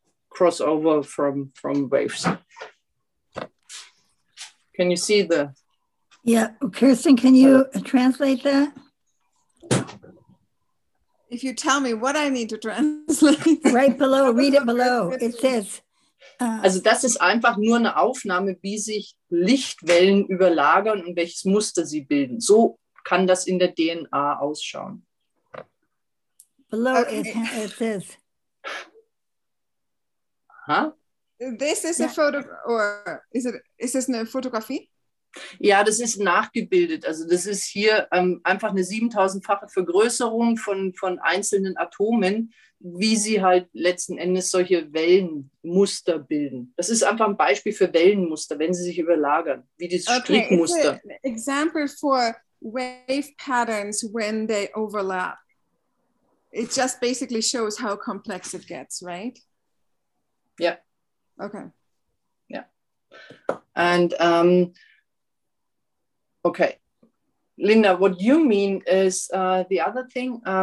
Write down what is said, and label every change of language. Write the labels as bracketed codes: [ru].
[en] Crossover from waves. Can you see the? Yeah, Kirsten, can you translate that? If you tell me what I need to translate. Right below, read it below. It says. [de] Also das ist einfach nur eine Aufnahme, wie sich Lichtwellen überlagern und welches Muster sie bilden. So kann das in der DNA ausschauen. [en] Below it says. Huh? This is a photo, or is this [de] eine Fotografie? Ja, das ist nachgebildet. Also das ist hier einfach eine 7000-fache Vergrößerung von einzelnen Atomen, wie sie halt letzten Endes solche Wellenmuster bilden. Das ist einfach ein Beispiel für Wellenmuster, wenn sie sich überlagern, wie dieses Strickmuster. [en] Okay, it's an example for wave patterns when they overlap. It just basically shows how complex it gets, right? Yeah. Okay. Yeah. And okay, Linda, what you mean is the other thing.